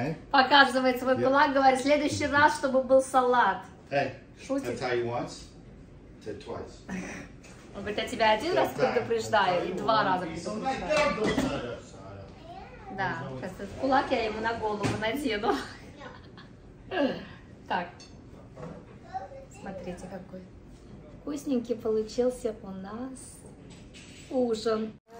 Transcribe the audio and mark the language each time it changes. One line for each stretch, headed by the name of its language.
Russian: показывает свой кулак, говорит, в следующий раз, чтобы был салат. Шутит.
English: I tell you once, say twice.
Russian: Он говорит, я тебя один раз предупреждаю и два раза предупреждаю. Да, сейчас этот кулак я ему на голову надену. Так, смотрите, какой вкусненький получился у нас ужин.